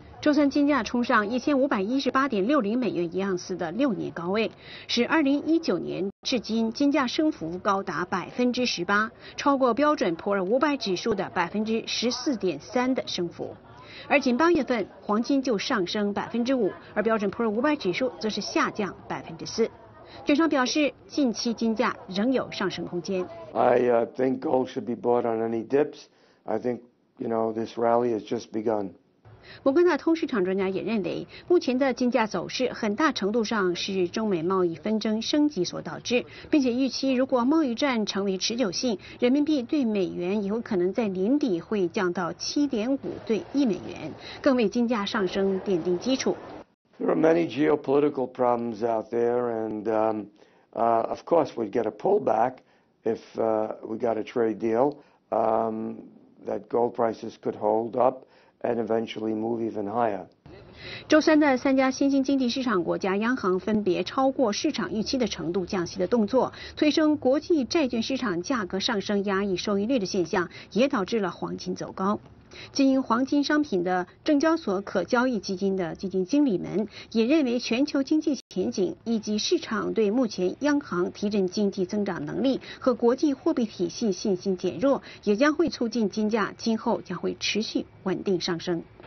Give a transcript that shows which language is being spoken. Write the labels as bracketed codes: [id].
[zh] 周三金价冲上1518.60美元一盎司的6年高位，使2019年至今金价升幅高达18%，超过标准普尔500指数的14.3%的升幅。而仅8月份，黄金就上升5%，而标准普尔500指数则是下降4%。券商表示，近期金价仍有上升空间。 [en] I think gold should be bought on any dips. I think, you know, this rally has just begun. [zh] 摩根大通市场专家也认为，目前的金价走势很大程度上是中美贸易纷争升级所导致，并且预期如果贸易战成为持久性，人民币对美元有可能在年底会降到7.5对一美元，更为金价上升奠定基础。 [en] There are many geopolitical problems out there, and of course we'd get a pullback if we got a trade deal. That gold prices could hold up and eventually move even higher. [zh] 周三的三家新兴经济市场国家央行分别超过市场预期的程度降息的动作，催生国际债券市场价格上升，压抑收益率的现象，也导致了黄金走高。经营黄金商品的证交所可交易基金的基金经理们也认为，全球经济前景以及市场对目前央行提振经济增长能力和国际货币体系信心减弱，也将会促进金价今后将会持续稳定上升。